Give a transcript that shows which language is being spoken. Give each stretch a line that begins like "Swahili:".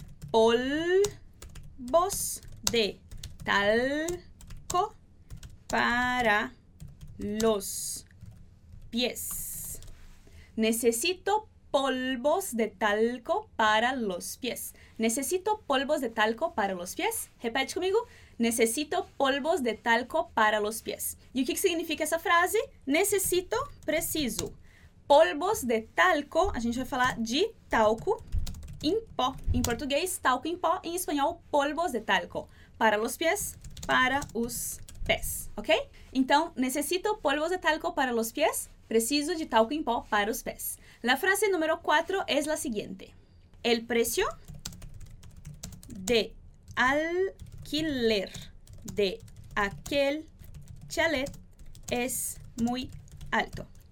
Spanish: Polvos de talco para los pies. Necesito polvos de talco para los pies. Necesito polvos de talco para los pies.
Portuguese: Repete comigo.
Spanish: Necesito polvos de talco para los pies.
Portuguese: E o que significa essa frase? Necesito, preciso.
Spanish: Polvos de talco,
Portuguese: a gente vai falar de talco. in pó. Em português, talco em pó. Em espanhol,
Spanish: polvos de talco. Para los pies,
Portuguese: para os pés. Ok? Então,
Spanish: necesito polvos de talco para los pies.
Portuguese: Preciso de talco em pó para os pés.
Spanish: La frase número 4 es la siguiente. El precio de alquiler de aquel chalet es muy alto.